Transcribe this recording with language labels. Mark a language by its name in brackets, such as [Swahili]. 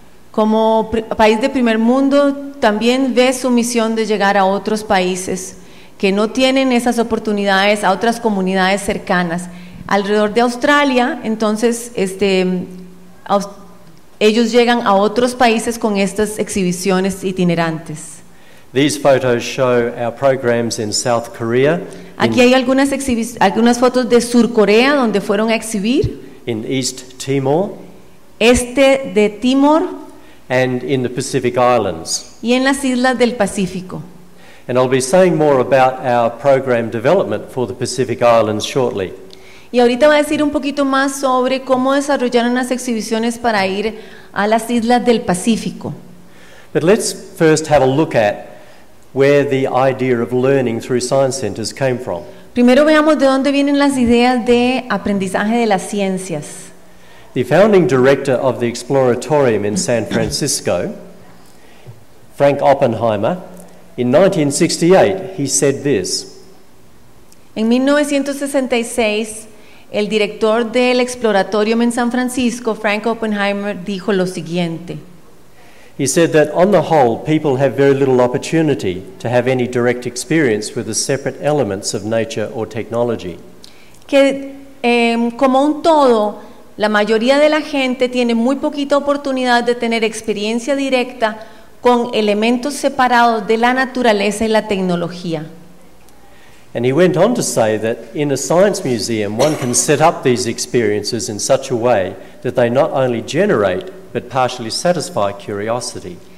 [Spanish] Como país de primer mundo, también ve su misión de llegar a otros países que no tienen esas oportunidades, a otras comunidades cercanas. Alrededor de Australia, entonces, ellos llegan a otros países con estas exhibiciones itinerantes. [English] These photos show our programs in South Korea. [Spanish] Aquí hay algunas fotos de Sur Corea donde fueron a exhibir. [English] In East Timor. [Spanish] Este de Timor. [English] And in the Pacific Islands. [Spanish] Y en las islas del Pacífico. [English] And I'll be saying more about our program development for the Pacific Islands shortly. [Spanish] Y ahorita voy a decir un poquito más sobre cómo desarrollaron las exhibiciones para ir a las islas del Pacífico. [English] But let's first have a look at where the idea of learning through science centers came from. [Spanish] Primero veamos de dónde vienen las ideas de aprendizaje de las ciencias. [English] The founding director of the Exploratorium in San Francisco, Frank Oppenheimer, in 1968, he said this. [Spanish] En 1966, el director del Exploratorium en San Francisco, Frank Oppenheimer, dijo lo siguiente. He said that on the whole, people have very little opportunity to have any direct experience with the separate elements of nature or technology. Que como un todo, la mayoría de la gente tiene muy poquita oportunidad de tener experiencia directa con elementos separados de la naturaleza y la tecnología. [English] And he went on to say that in a science museum, one can set up these experiences in such a way that they not only generate but partially satisfy curiosity.